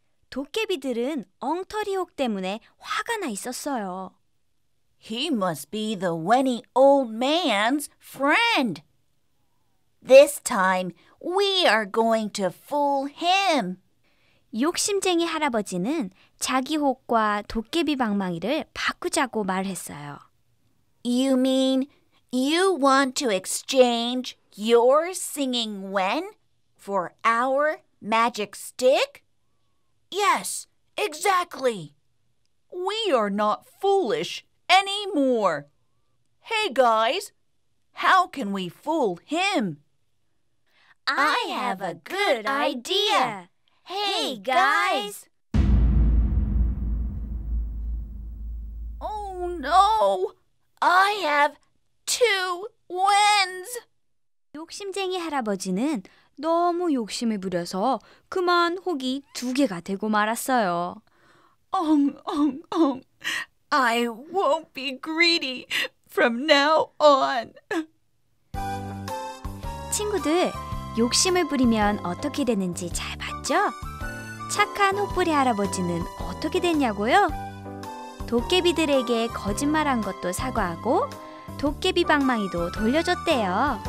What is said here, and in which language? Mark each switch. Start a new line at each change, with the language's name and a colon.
Korean: 도깨비들은 엉터리 혹 때문에 화가 나 있었어요.
English: He must be the whiny old man's friend. This time, we are going to fool him.
Korean: 욕심쟁이 할아버지는 자기 혹과 도깨비 방망이를 바꾸자고 말했어요.
English: You mean you want to exchange your singing wen for our magic stick? Yes, exactly. We are not foolish anymore. Hey guys, how can we fool him? I have a good idea. Hey guys. Oh no. I have two wens.
Korean: 욕심쟁이 할아버지는 너무 욕심을 부려서 그만 혹이 두 개가 되고 말았어요. 엉엉엉.
English: I won't be greedy from now on.
Korean: 친구들, 욕심을 부리면 어떻게 되는지 잘 봤죠? 착한 혹부리 할아버지는 어떻게 됐냐고요? 도깨비들에게 거짓말한 것도 사과하고 도깨비 방망이도 돌려줬대요.